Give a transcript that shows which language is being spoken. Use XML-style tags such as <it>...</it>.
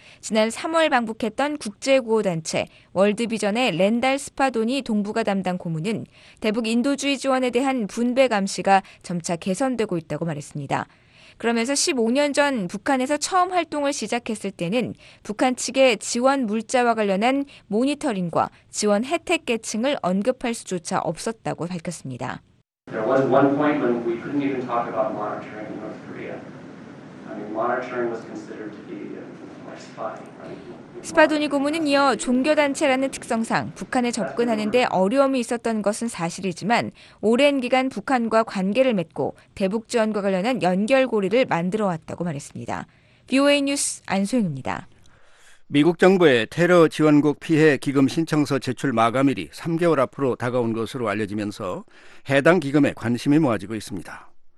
<ko>지난 3월 방북했던 국제구호단체 월드비전의 렌달 스파도니 동북아 담당 고문은 대북 인도주의 지원에 대한 분배 감시가 점차 개선되고 있다고 말했습니다. 그러면서 15년 전 북한에서 처음 활동을 시작했을 때는 북한 측의 지원 물자와 관련한 모니터링과 지원 혜택 계층을 언급할 수조차 없었다고 밝혔습니다.</ko> <en>There was one point when we couldn't even talk about monitoring in North Korea. I mean, monitoring was considered to be like spy.</en> <ko>스파도니 고문은 이어 종교단체라는 특성상 북한에 접근하는 데 어려움이 있었던 것은 사실이지만 오랜 기간 북한과 관계를 맺고 대북 지원과 관련한 연결고리를 만들어왔다고 말했습니다. BOA 뉴스 안소영입니다. 미국 정부의 테러 지원국 피해 기금 신청서 제출 마감일이 3개월 앞으로 다가온 것으로 알려지면서 해당 기금에 관심이 모아지고 있습니다.</ko>